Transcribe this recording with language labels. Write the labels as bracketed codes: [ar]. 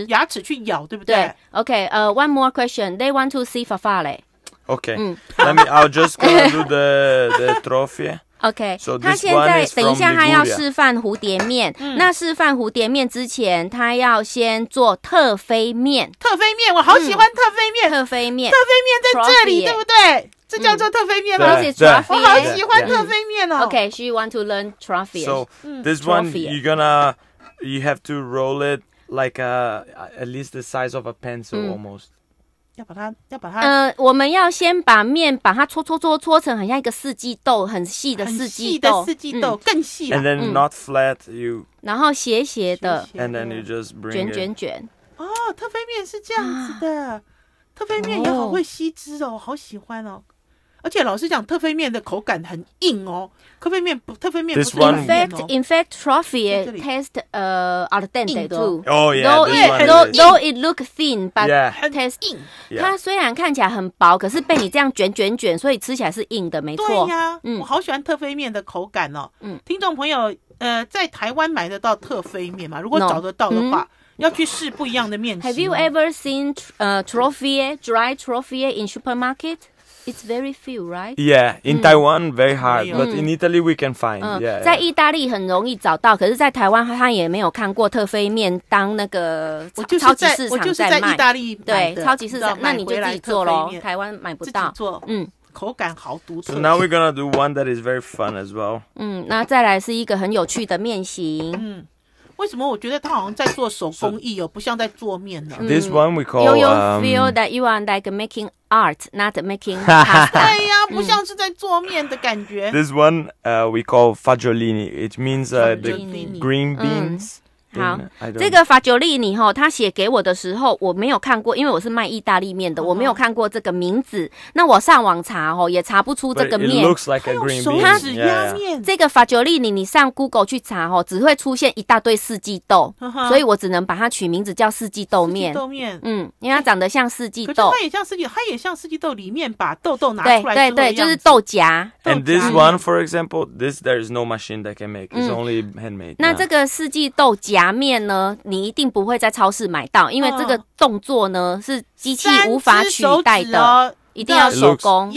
[zh] 用牙齿去咬，对不对？对。 [en] OK， one more question. They want to see Fafale. Okay. Let me. I'll just go do the trophy. [zh] OK， 他现在等一下他要示范蝴蝶面、嗯、那示范蝴蝶面之前他要先做特飞面。特飞面我好喜欢特飞面、嗯、特飞面特飞面在这里、Profit、对不对，这叫做特飞面吗、嗯、我好喜欢特飞面哦。 [en] OK， she want to learn trophy. So this one you're gonna you have to roll it like a, at least the size of a pencil、嗯、almost [zh] 要把它我们要先把面把它搓搓搓搓成很像一个四季豆，很细的四季豆，很细的四季豆、嗯、更细 [en] 了。And then not flat, you. [zh] 然后斜斜的。 [en] And then you just bring [zh] 卷卷卷。哦，特飞面是这样子的，特飞面也好会吸汁哦，好喜欢哦。而且老实讲，特飞面的口感很硬哦。特飞面不，特飞面不是硬哦。 [en] In fact, trophy taste al dente too. Oh yeah, though this it, one is. Though it look thin, but yeah, taste [zh] 硬。它虽然看起来很薄，可是被你这样卷卷卷，所以吃起来是硬的，没错。对呀、啊嗯，我好喜欢特飞面的口感哦。嗯，听众朋友，在台湾买得到特飞面吗？如果找得到的话。 [en] No. [zh] 嗯，要去试不一样的面食。 [en] Have you ever seen trophy dry trophy in supermarket? It's very few, right? Yeah, in Taiwan very hard, but in Italy we can find. Yeah, [zh] 在意大利很容易找到，可是，在台湾他也没有看过特飞面当那个超级市场在卖。我就是在意大利买的，对，超级市场，那你就自己做喽。台湾买不到，自己做，口感好独特。 [en] So now we're gonna do one that is very fun as well. [zh] 那再来是一个很有趣的面型。为什么我觉得他好像在做手工艺哦， so, 不像在做面呢 [en] ？This one we call you feel that you are like making art, not making pasta. [zh] 对呀、啊，不像是在做面的感觉。 [en] This one, we call fagiolini. It means the green beans. [zh] 好，这个 fagiolini 哈，他写给我的时候我没有看过，因为我是卖意大利面的， uh-huh. 我没有看过这个名字。那我上网查哈，也查不出这个面。 [en] But、it looks like a green bean. [zh] 手指压面。这个 fagiolini 你上 Google 去查哈，只会出现一大堆四季豆， uh-huh. 所以我只能把它取名字叫四季豆面。四季豆面。因为它长得像四季豆。可是它也像四季，它也像四季豆里面把豆豆拿出来做的样子。对对对，就是豆荚。 [en] And this one, for example, this there is no machine that can make. It's only handmade. [zh] 那这个四季豆荚。面呢，你一定不会在超市买到，因为这个动作呢是机器无法取代的，一定要手工